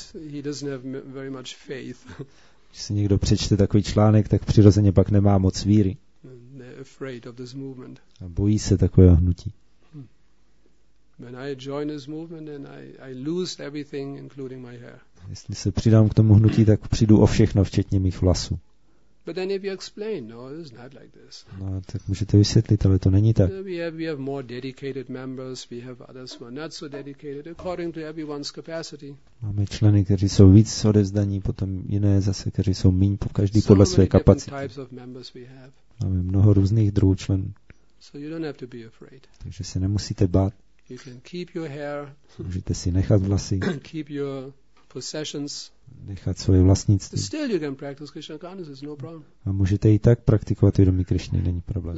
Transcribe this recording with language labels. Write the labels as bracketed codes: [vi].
[en] He doesn't have very much faith. [cs] Když si někdo přečte takový článek, tak přirozeně pak nemá moc víry. [en] Afraid of this movement. [cs] A bojí se takového hnutí. [en] When I join this movement, then I lose everything, including my hair. [cs] Jestli se přidám k tomu hnutí, tak přijdu o všechno, včetně mých vlasů. [en] But then if you explain, no, it's not like this. [cs] No, tak můžete vysvětlit, ale to není tak. [en] We have more dedicated members, we have others who are not so dedicated, according to everyone's capacity. [cs] Máme členy, kteří jsou víc odevzdaní, potom jiné zase, kteří jsou míň, každý podle své kapacity. [en] Types of members we have. [cs] Máme mnoho různých druhů členů. [en] So you don't have to be afraid. [cs] Takže se nemusíte bát. [en] You can keep your hair. [cs] Můžete si nechat vlasy. [en] Keep your possessions. [cs] Nechat svoje vlastnictví. [en] Still you can practice Krishna consciousness, it's no problem. [cs] A můžete i tak praktikovat vědomí Krišny, není problém.